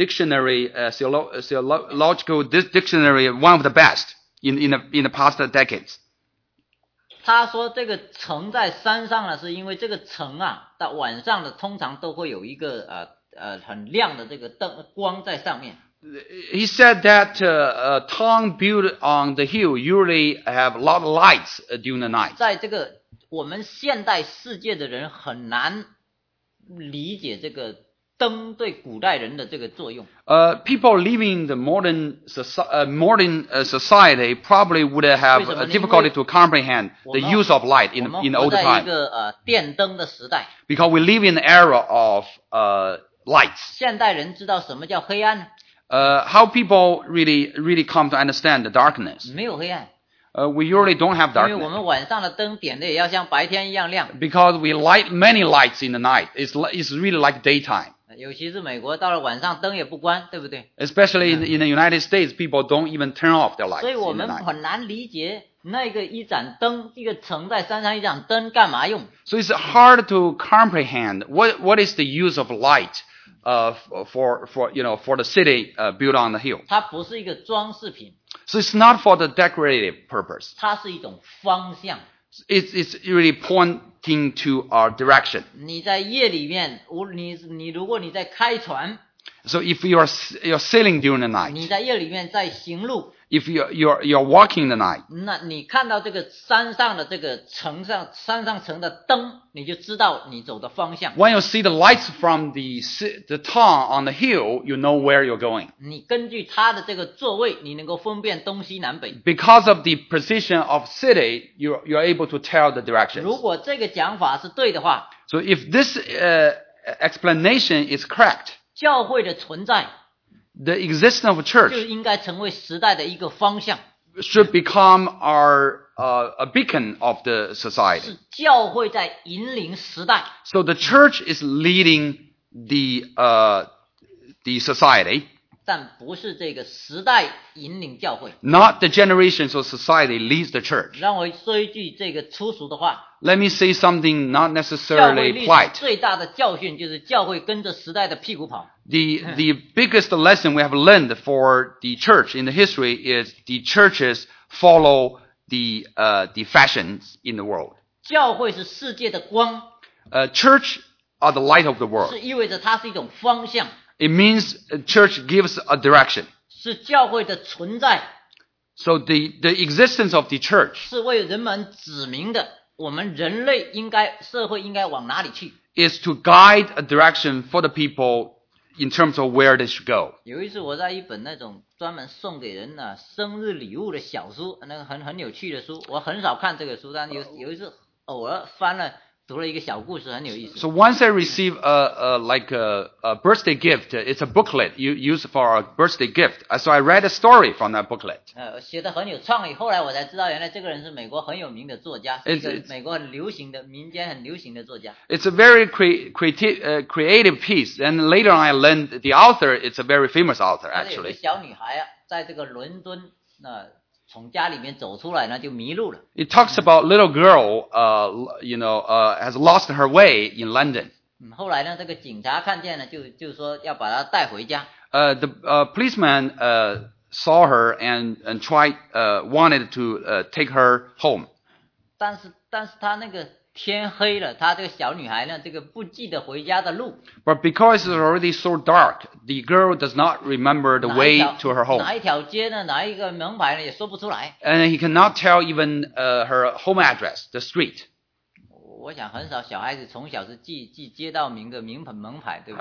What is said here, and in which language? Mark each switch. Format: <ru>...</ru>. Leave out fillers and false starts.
<en>He added a theological dictionary, one of the best in the past decades.</en> <zh>他说这个城在山上呢，是因为这个城啊，到晚上的通常都会有一个很亮的这个灯光在上面。</zh> <en>He said that a town built on the hill usually have a lot of lights during the night.</en> <zh>在这个我们现代世界的人很难理解这个灯对古代人的这个作用。</zh> <en>People living in the modern society probably would have a difficulty to comprehend the use of light in the old time.</en> <zh>我们活在一个电灯的时代。</zh> <en>Because we live in the era of lights.</en> <zh>现代人知道什么叫黑暗呢？</zh> <en>How people really come to understand the darkness.</en> <zh>没有黑暗。</zh> <en>We usually don't have darkness.</en> <zh>因为我们晚上的灯点的也要像白天一样亮。</zh> <en>Because we light many lights in the night. It's really like daytime.</en> <zh>尤其是美国到了晚上灯也不关，对不对？</zh> <en>Especially in the United States, people don't even turn off their lights.</en> <zh>所以我们很难理解那个一盏灯，一个城在山上一盏灯干嘛用。</zh> <en>So it's hard to comprehend what is the use of light. For the city built on the hill.</en> <zh>它不是一个装饰品。</zh> <en>So it's not for the decorative purpose.</en> <zh>它是一种方向。</zh> <en>It's really pointing to our direction.</en> <zh>你在夜里面，你如果你在开船。</zh> <en>So if you're sailing during the night.</en> <zh>你在夜里面在行路。</zh> <en>If you're walking the night,</en> <zh>那你看到这个山上的这个城上山上城的灯，你就知道你走的方向。</zh> <en>When you see the lights from the town on the hill, you know where you're going.</en> <zh>你根据它的这个座位，你能够分辨东西南北。</zh> <en>Because of the precision of city, you're able to tell the directions.</en> <zh>如果这个讲法是对的话</zh> <en>，So if this explanation is correct,</en> <zh>教会的存在。</zh> <en>The existence of a church</en> <zh>就应该成为时代的一个方向</zh> <en>should become a beacon of the society.</en> <zh>是教会在引领时代</zh> <en>So the church is leading the society.</en> <zh>但不是这个时代引领教会</zh> <en>Not the generations of society leads the church.</en> <zh>让我说一句这个粗俗的话</zh> <en>Let me say something not necessarily polite.</en> <zh>教会历史最大的教训就是教会跟着时代的屁股跑。</zh> <en>The biggest lesson we have learned for the church in the history is the churches follow the fashions in the world.</en> <zh>教会是世界的光。</zh> <en>Church are the light of the world.</en> <zh>是意味着它是一种方向。</zh> <en>It means church gives a direction.</en> <zh>是教会的存在。</zh> <en>So the existence of the church</en> <zh>是为人们指明的，我们人类应该，社会应该往哪里去。</zh> <en>Is to guide a direction for the people in terms of where they should go.</en> <zh>有一次我在一本那种专门送给人的生日礼物的小书，那个很有趣的书，我很少看这个书，但有一次偶尔翻了，读了一个小故事，很有意思。</zh> <en>So once I receive a birthday gift, it's a booklet used for a birthday gift. So I read a story from that booklet.</en> <zh>写得很有创意，后来我才知道原来这个人是美国很有名的作家，是一个美国流行的民间很流行的作家。</zh> <en>It's a very creative piece, and later on I learned the author, it's a very famous author actually.</en> <zh>小女孩啊，在这个伦敦从家里面走出来呢就迷路了。</zh> <en>It talks about little girl, has lost her way in London.</en> <zh>后来呢这个警察看见了就说要把她带回家。</zh> <en>The policeman, saw her and wanted to, take her home.</en> <zh>但是她那个天黑了她这个小女孩呢这个不记得回家的路。</zh> <en>But because it's already so dark, the girl does not remember the way to her home.</en> <zh>哪一条街呢哪一个门牌呢也说不出来。</zh> <en>And he cannot tell even, her home address, the street.</en> <zh>我想很少小孩子从小是记街道名的名门牌对不</zh>